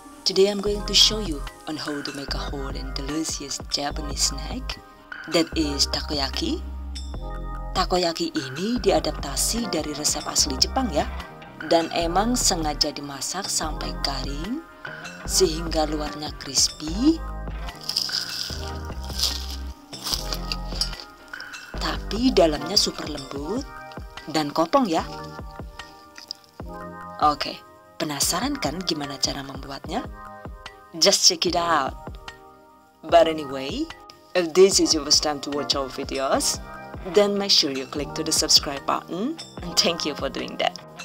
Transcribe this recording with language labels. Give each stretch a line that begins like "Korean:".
English: Today I'm going to show you on how to make a whole and delicious Japanese snack that is takoyaki.
Indonesian: Takoyaki ini diadaptasi dari resep asli Jepang ya. Dan emang sengaja dimasak sampai garing sehingga luarnya crispy. Tapi dalamnya super lembut dan kopong ya. Oke, penasaran kan gimana cara membuatnya?
English: Just check it out. But anyway, if this is your first time to watch our videos, then make sure you click to the subscribe button and thank you for doing that.